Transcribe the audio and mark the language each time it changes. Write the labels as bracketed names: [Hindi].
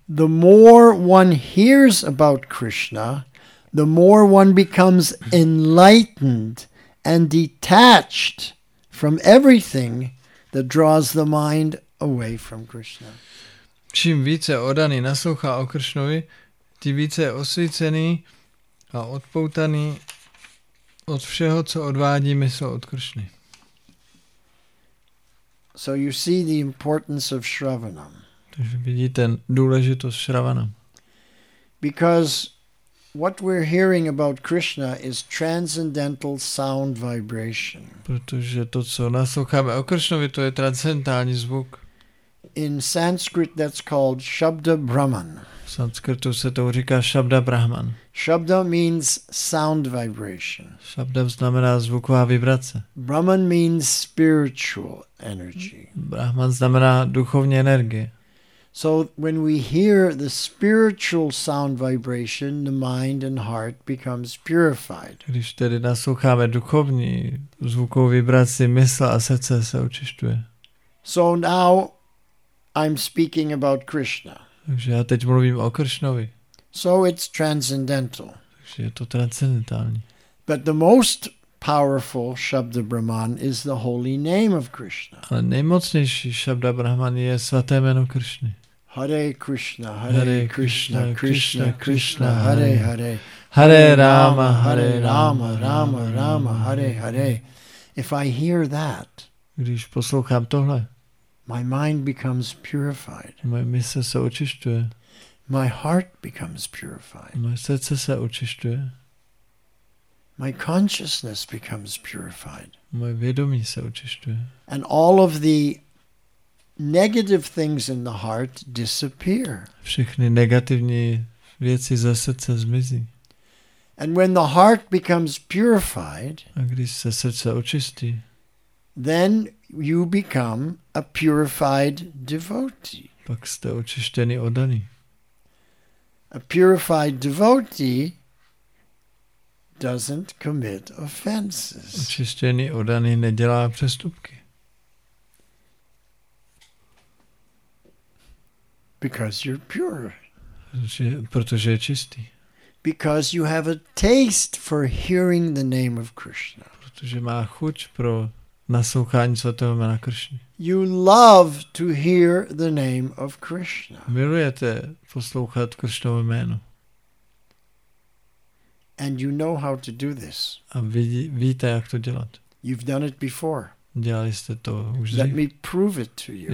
[English] the more one hears about Krishna, the more one becomes enlightened and detached from everything that draws the mind away from Krishna. [Czech] Čím více oddaný naslouchá o Krishnovi, tím více je osvícený a odpoutaný od všeho, co odvádí mysl od Krishny. [English] So you see the importance of shravanam. [Czech] Takže vidíte důležitost shravanam. [English] Because what we're hearing about Krishna is transcendental sound vibration. [Czech] Protože to, co nasloucháme o Krishnovi, to je transcendentální zvuk. [English] In Sanskrit that's called Shabda Brahman. [Czech] V sanskritu se to říká Shabda Brahman. [English] Shabda means sound vibration. [Czech] Shabda znamená zvuková vibrace. [English] Brahman means spiritual energy. [Czech] Brahman znamená duchovní energie. [English] So when we hear the spiritual sound vibration, the mind and heart becomes purified. [Czech] Když tedy nasloucháme duchovní zvukovou vibraci, mysl a srdce se očišťuje. [English] So now I'm speaking about Krishna. [Czech] Takže já teď mluvím o Krishnovi. [English] So it's transcendental. [Czech] Takže je to transcendentální. [English] But the most powerful Shabda Brahman is the holy name of Krishna. [Czech] Ale nejmocnější Shabda Brahman je svaté jméno Krishny. [Sanskrit] Hare Krishna, Hare Krishna, Krishna Krishna, Hare Hare. Hare Rama, Rama Rama, Hare Hare. [English] If I hear that, [Czech] když poslouchám tohle, [English] my mind becomes purified. [Czech] Moje mysl se očišťuje. [English] My heart becomes purified. [Czech] Moje srdce se očišťuje. [English] My consciousness becomes purified. [Czech] Moje vědomí se očišťuje. [English] And all of the negative things in the heart disappear. [Czech] Všechny negativní věci ze srdce zmizí. [English] And when the heart becomes purified, [Czech] a když se srdce očistí, [English] then you become a purified devotee. [Czech] Pak jste očištěný oddaný. [English] A purified devotee doesn't commit offenses. [Czech] Očištěný oddaný nedělá přestupky. [English] Because you're pure. [Czech] Protože je čistý. [English] Because you have a taste for hearing the name of Krishna. [Czech] Protože má chuť pro naslouchání svatého jména Krishna. [English] You love to hear the name of Krishna. [Czech] Milujete poslouchat Krishnovo jméno. [English] And you know how to do this. [Czech] A víte, jak to dělat. [English] You've done it before. [Czech] Dělali jste to už. [English] Let me prove it to you.